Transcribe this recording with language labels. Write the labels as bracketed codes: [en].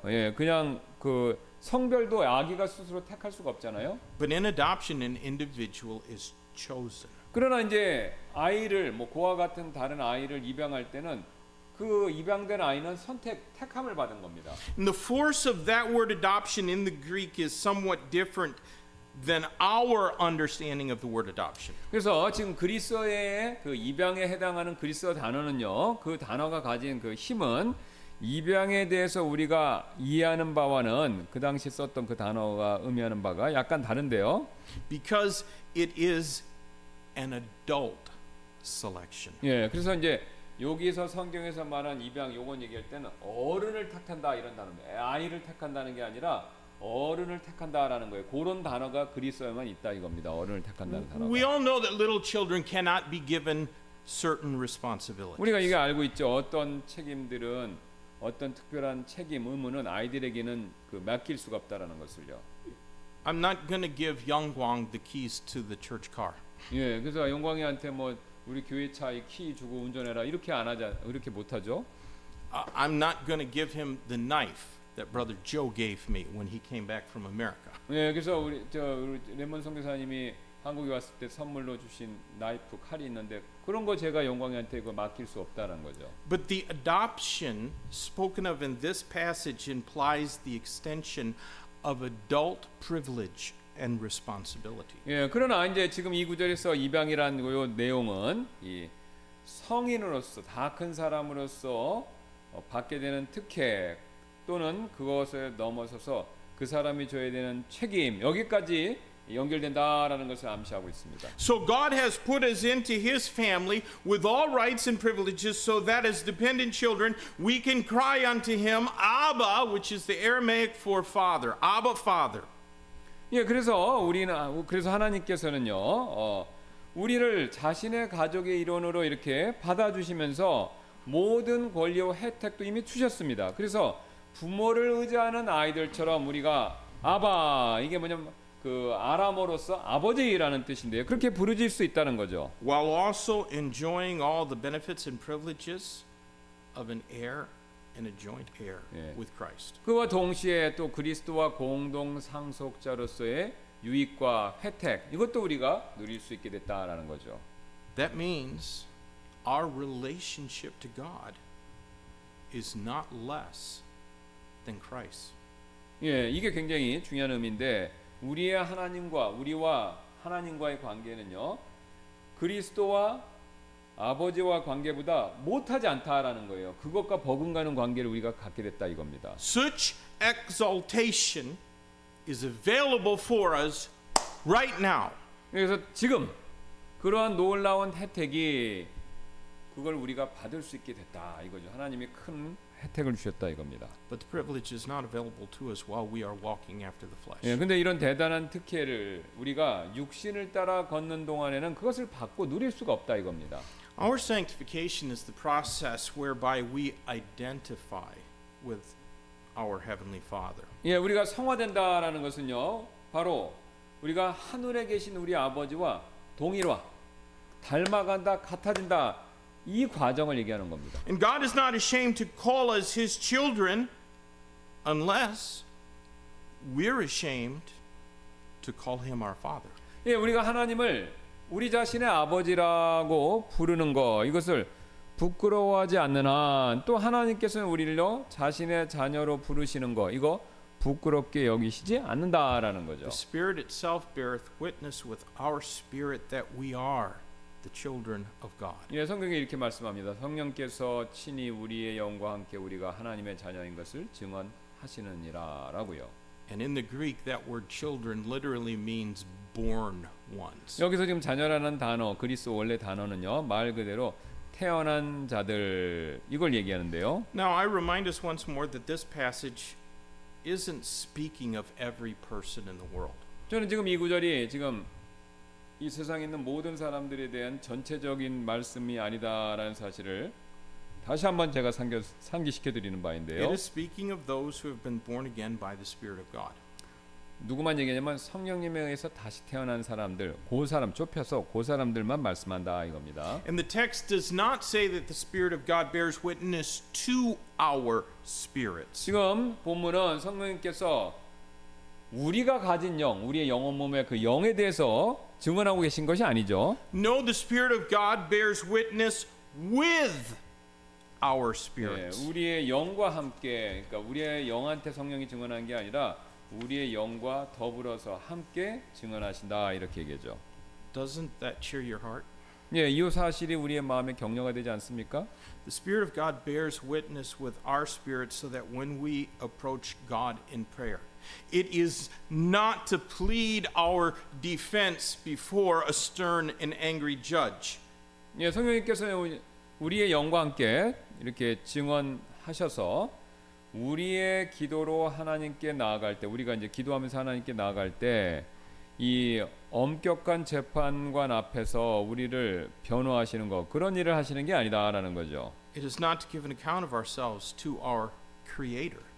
[ko] 예, 그냥 그 성별도 아기가 스스로 택할 수가 없잖아요. [en] But in adoption an individual is chosen. [ko] 그러나 이제 아이를 뭐 고아 같은 다른 아이를 입양할 때는 그 입양된 아이는 선택 택함을 받은 겁니다. [en] And the force of that word adoption in the Greek is somewhat different than our understanding of the word adoption. [ko] 그래서 지금 그리스어의 그 입양에 해당하는 그리스어 단어는요. 그 단어가 가진 그 힘은 입양에 대해서 우리가 이해하는 바와는 그 당시 썼던 그 단어가 의미하는 바가 약간 다른데요. [en] Because it is an adult selection. [ko] 예, 그래서 이제 여기서 성경에서 말한 입양 요건 얘기할 때는 어른을 택한다 이런 단어인데 아이를 택한다는 게 아니라 어른을 택한다라는 거예요. 그런 단어가 그리스어에만 있다 이겁니다. 어른을 택한다는 단어가. [en] We all know that little children cannot be given certain responsibilities. [ko] 우리가 이거 알고 있죠. 어떤 책임들은 어떤 특별한 책임 의무는 아이들에게는 그 맡길 수가 없다라는 것을요. [en] I'm not going to give Young Gwang the keys to the church car. [ko] 예, 그래서 용광이한테 뭐 우리 교회 차에 키 주고 운전해라 이렇게 안 하자. 그렇게 못 하죠. [en] I'm not going to give him the knife that brother Joe gave me when he came back from America. [ko] 예, 그래서 우리 저 레몬 선교사님이 한국에 왔을 때 선물로 주신 나이프 칼이 있는데 그런 거 제가 영광이한테 그 맡길 수 없다라는 거죠. [en] But the adoption spoken of in this passage implies the extension of adult privilege and responsibility. [ko] 예, 그러나 이제 지금 이 구절에서 입양이라는 거요 내용은 이 성인으로서 다 큰 사람으로서 받게 되는 특혜 또는 그것을 넘어서서 그 사람이 줘야 되는 책임 여기까지 연결된다라는 것을 암시하고 있습니다. [en] So God has put us into His family with all rights and privileges, so that as dependent children, we can cry unto Him, Abba, which is the Aramaic for Father, Abba, Father. [ko] 예, 그래서 우리는 그래서 하나님께서는요, 우리를 자신의 가족의 일원으로 이렇게 받아주시면서 모든 권리와 혜택도 이미 주셨습니다. 그래서 부모를 의지하는 아이들처럼 우리가 아바 이게 뭐냐면 그 아람어로서 아버지라는 뜻인데요. 그렇게 부르실 수 있다는 거죠. [en] While also enjoying all the benefits and privileges of an heir and a joint heir with Christ. [ko] 그와 동시에 또 그리스도와 공동 상속자로서의 유익과 혜택 이것도 우리가 누릴 수 있게 됐다라는 거죠. [en] That means our relationship to God is not less than Christ. [ko] 예, 이게 굉장히 중요한 의미인데 우리의 하나님과 우리와 하나님과의 관계는요 그리스도와 아버지와 관계보다 못하지 않다라는 거예요. 그것과 버금가는 관계를 우리가 갖게 됐다 이겁니다. [en] Such exaltation is available for us right now. [ko] 그래서 지금 그러한 놀라운 혜택이 그걸 우리가 받을 수 있게 됐다 이거죠. 하나님이 큰 혜택을 주셨다 이겁니다. [en] But the privilege is not available to us while we are walking after the flesh. [ko] 예, 근데 이런 대단한 특혜를 우리가 육신을 따라 걷는 동안에는 그것을 받고 누릴 수가 없다 이겁니다. [en] Our sanctification is the process whereby we identify with our heavenly Father. [ko] 예, 우리가 성화된다라는 것은요, 바로 우리가 하늘에 계신 우리 아버지와 동일화, 닮아간다, 같아진다. 이 과정을 얘기하는 겁니다. [en] And God is not ashamed to call us His children, unless we're ashamed to call Him our Father. [ko] 예, 우리가 하나님을 우리 자신의 아버지라고 부르는 거 이것을 부끄러워하지 않는 한 또 하나님께서는 우리를요 자신의 자녀로 부르시는 거 이거 부끄럽게 여기시지 않는다라는 거죠. [en] The Spirit itself beareth witness with our spirit that we are. The children of God. [ko] 예, 성경이 이렇게 말씀합니다. 성령께서 친히 우리의 영과 함께 우리가 하나님의 자녀인 것을 증언하시느니라라고요. [en] And in the Greek, that word "children" literally means born ones. [ko] 여기서 지금 자녀라는 단어, 그리스 원래 단어는요, 말 그대로 태어난 자들 이걸 얘기하는데요. [en] Now I remind us once more that this passage isn't speaking of every person in the world. [ko] 저는 지금 이 구절이 지금 이 세상에 있는 모든 사람들에 대한 전체적인 말씀이 아니다라는 사실을 다시 한번 제가 상기시켜 드리는 바인데요. [en] It is speaking of those who have been born again by the Spirit of God. [ko] 누구만 얘기냐면 성령님에 의해서 다시 태어난 사람들, 그 사람 좁혀서 그 사람들만 말씀한다 이겁니다. [en] And the text does not say that the Spirit of God bears witness to our spirits. [ko] 지금 본문은 성령님께서 우리가 가진 영, 우리의 영혼 몸의 그 영에 대해서 증언하고 계신 것이 아니죠. [en] No, the Spirit of God bears witness with our spirits. [ko] 예, 우리의 영과 함께, 그러니까 우리의 영한테 성령이 증언한 게 아니라 우리의 영과 더불어서 함께 증언하신다 이렇게 얘기하죠. [en] Doesn't that cheer your heart? [ko] 예, 이 사실이 우리의 마음에 격려가 되지 않습니까? [en] The Spirit of God bears witness with our spirit so that when we approach God in prayer. It is not to plead our defense before a stern and angry judge. [ko] 예, 성령님께서는 우리의 영과 함께 이렇게 증언하셔서 우리의 기도로 하나님께 나아갈 때 우리가 이제 기도하면서 하나님께 나아갈 때 이 엄격한 재판관 앞에서 우리를 변호하시는 거 그런 일을 하시는 게 아니다라는 거죠. [en] It is not to give an account of ourselves to our creator.